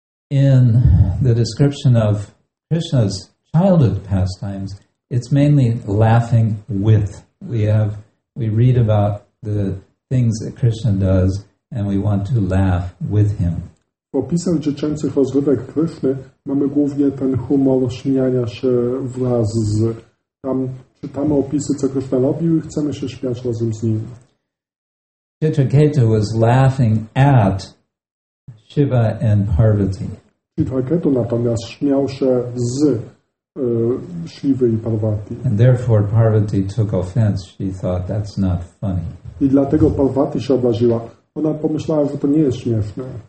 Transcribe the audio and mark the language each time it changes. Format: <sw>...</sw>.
<en>In the description of Krishna's childhood pastimes, it's mainly laughing with. We read about the things that Krishna does, and we want to laugh with him.</en> <pl>W opisach dziecięcych rozrywek Kryszny mamy głównie ten humor śmiania się wraz z. Tam czytamy opisy, co Kryszna robił, i chcemy się śmiać razem z nim.</pl> <en>Chitraketu was laughing at Shiva and Parvati.</en> <pl>Chitraketu natomiast śmiał się z Shivy i Parvati.</pl> <en>And therefore Parvati took offense. She thought that's not funny.</en> <pl>I dlatego Parvati się obraziła. Ona pomyślała, że to nie jest śmieszne.</pl>